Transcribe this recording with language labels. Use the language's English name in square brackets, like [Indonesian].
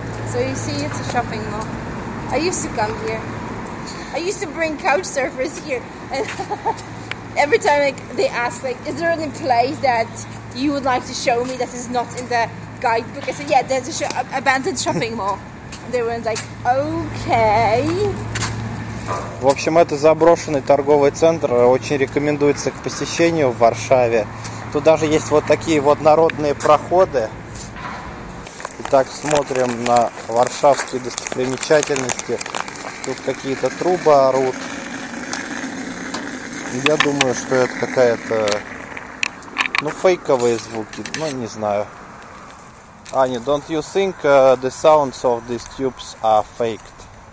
[English] So you see, it's a shopping mall. I used to come here. I used to bring couch surfers here, and every time they ask, like, is there any place that you would like to show me that is not in the guidebook? I said, yeah, there's a abandoned shopping mall. They were like, okay. [Russian] В общем, это заброшенный торговый центр. Очень рекомендуется к посещению в Варшаве. Тут даже есть вот такие вот народные проходы. Итак, смотрим на варшавские достопримечательности. Тут какие-то трубы орут. Я думаю, что это какая-то... Ну, фейковые звуки, ну, не знаю. [English] Аня, don't you think the sounds of these tubes are faked?